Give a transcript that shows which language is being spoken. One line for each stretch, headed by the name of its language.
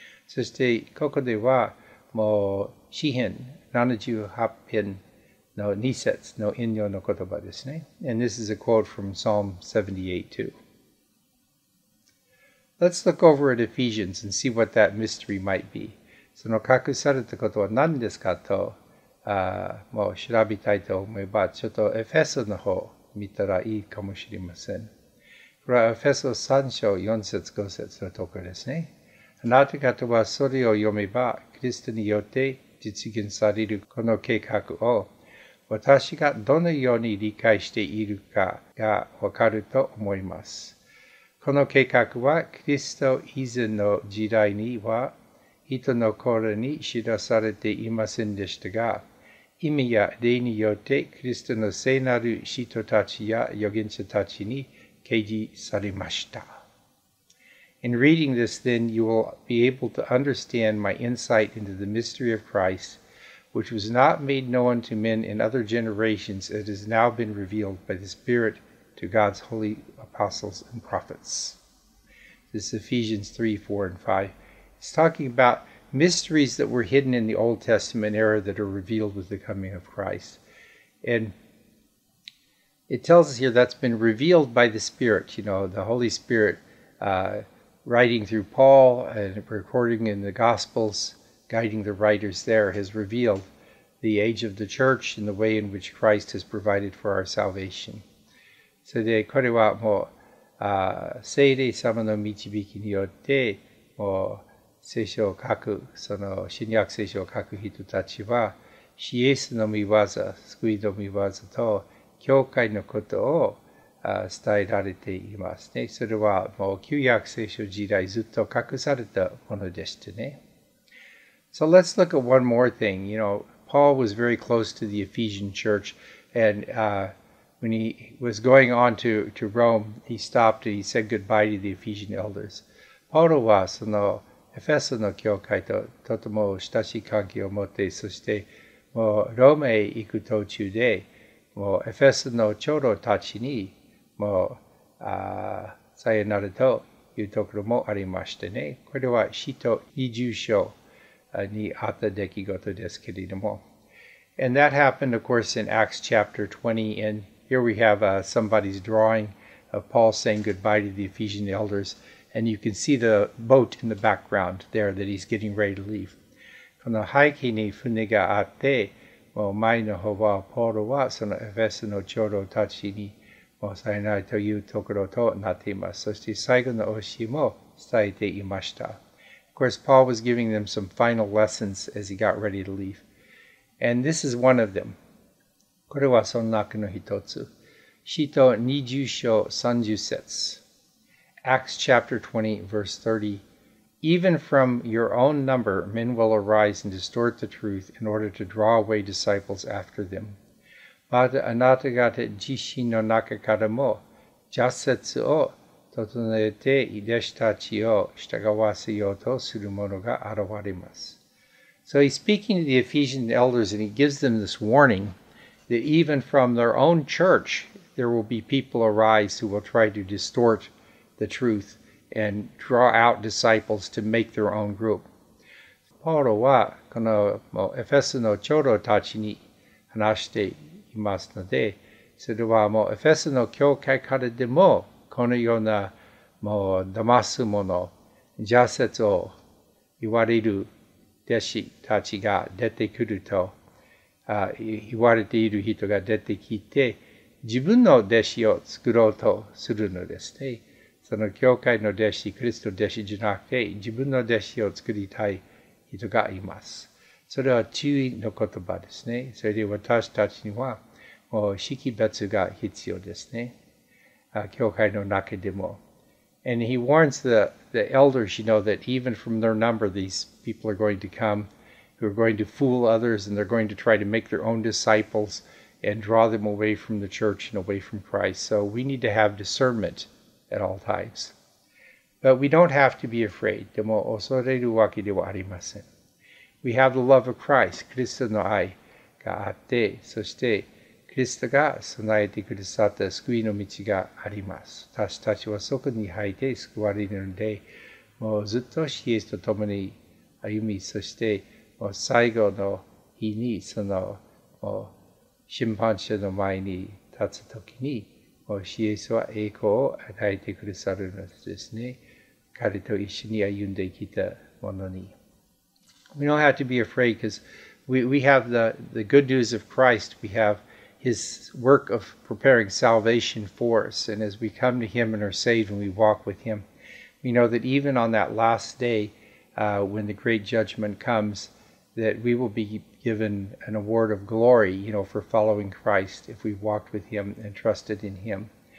Japanese: そして、ここでは、もう、詩篇78篇の2節の引用の言葉ですね。
English: And this is a quote from Psalm 78 too. Let's look over at Ephesians and see what that mystery might be.
Japanese: その隠されたことは何ですかと、もう調べたいと思えば、ちょっとエフェソの方見たらいいかもしれません。これはエフェソ3章4節5節のところですね。あなた方はそれを読めば、キリストによって実現されるこの計画を、私がどのように理解しているかがわかると思います。この計画は、キリスト以前の時代には、人の心に知らされていませんでしたが、意味や例によってキリストの聖なる人たちや預言者たちに掲示されました。
English: In reading this, then, you will be able to understand my insight into the mystery of Christ, which was not made known to men in other generations, it has now been revealed by the Spirit to God's holy apostles and prophets. This is Ephesians 3, 4, and 5. It's talking about mysteries that were hidden in the Old Testament era that are revealed with the coming of Christ. And it tells us here that's been revealed by the Spirit, you know, the Holy Spirit writing through Paul and recording in the Gospels, guiding the writers there, has revealed the age of the church and the way in which Christ has provided for our salvation.
Japanese: So でこれはもう聖霊様の導きによってもう聖書を書く、その新約聖書を書く人たちは、シエスの御業、救いの御業と教会のことを伝えられていますね。それはもう旧約聖書時代ずっと隠されたものでしたね。
English: So let's look at one more thing. You know, Paul was very close to the Ephesian church, and when he was going on to Rome, he stopped and he said goodbye to the Ephesian elders.
Japanese: Paul はそのエフェソの教会ととても親しい関係を持って、そしてもうローマへ行く途中で、もうエフェソの長老たちにもうさよならというところもありましてね。これは使徒二十章にあった出来事ですけれども。
English: And that happened, of course, in Acts chapter 20. And here we have somebody's drawing of Paul saying goodbye to the Ephesian elders. And you can see the boat in the background there that he's getting ready to leave.
Japanese: この背景に船があって、もう前の方はポールはそのエフェソの長老たちにもうさよならというところとなっています。そして最後の教えも伝えていました。
English: Of course, Paul was giving them some final lessons as he got ready to leave. And this is one of them.
Japanese: これはその中の一つ。使徒二十章三十節。
English: Acts chapter 20, verse 30. Even from your own number, men will arise and distort the truth in order to draw away disciples after them.
Japanese: またあなた方自身の中からも邪説を整えて弟子たちを従わせようとする者が現れます。
English: So he's speaking to the Ephesian elders and he gives them this warning that even from their own church there will be people arise who will try to distort the truth and draw out disciples to make their own group.
Japanese: ポールはこのもうエフェソの長老たちに話してますので、それはもうエフェソの教会からでもこのようなもう騙すもの邪説を言われる弟子たちが出てくると言われている人が出てきて自分の弟子を作ろうとするのですね。その教会の弟子、クリストの弟子じゃなくて自分の弟子を作りたい人がいます。それは注意の言葉ですね。それで私たちにはもう識別が必要ですね。教会の中でも。
English: And he warns the elders, you know, that even from their number, these people are going to come, who are going to fool others, and they're going to try to make their own disciples and draw them away from the church and away from Christ. So we need to have discernment at all times. But we don't have to be afraid.
Japanese: でも恐れるわけではありません。
English: We have the love of Christ,
Japanese: クリストの愛があって、そしてクリストが備えてくださった救いの道があります。私たちはそこに入って救われるので、もうずっとシエスと共に歩み、そしてもう最後の日にそのもう審判者の前に立つときに、もうシエスは栄光を与えてくださるのですね。彼と一緒に歩んできたものに。
English: We don't have to be afraid because we have the good news of Christ. We have his work of preparing salvation for us. And as we come to him and are saved and we walk with him, we know that even on that last day, when the great judgment comes, that we will be given an award of glory, you know, for following Christ if we walked with him and trusted in him.